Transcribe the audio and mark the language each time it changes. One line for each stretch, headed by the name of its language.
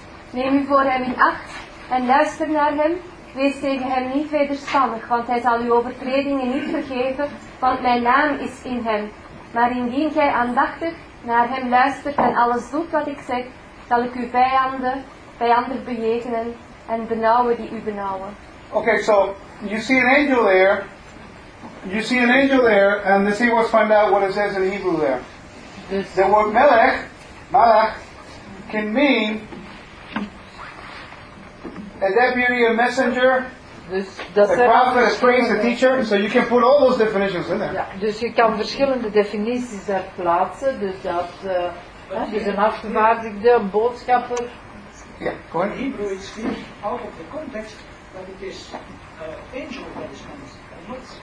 Dutch: Neem u voor hem in acht en luister naar hem. Wees tegen hem niet wederspannig, want hij zal uw overtredingen niet vergeven, want mijn naam is in hem. Maar indien gij aandachtig naar hem luistert en alles doet wat ik zeg, zal ik uw vijanden bejegenen en benauwen die u benauwen.
English: Okay, so you see an angel there. You see an angel there, and let's see, let's find out what it says in Hebrew there. The word Malach, can mean a deputy, a messenger, a prophet, a stranger, a teacher. So you can put all those definitions in there.
Dutch: Ja, dus je kan verschillende definities daar plaatsen. Dus dat is een afgevaardigde, een boodschapper. Ja,
English: go ahead. In Hebrew it's clear out of the context that it is angel that is coming.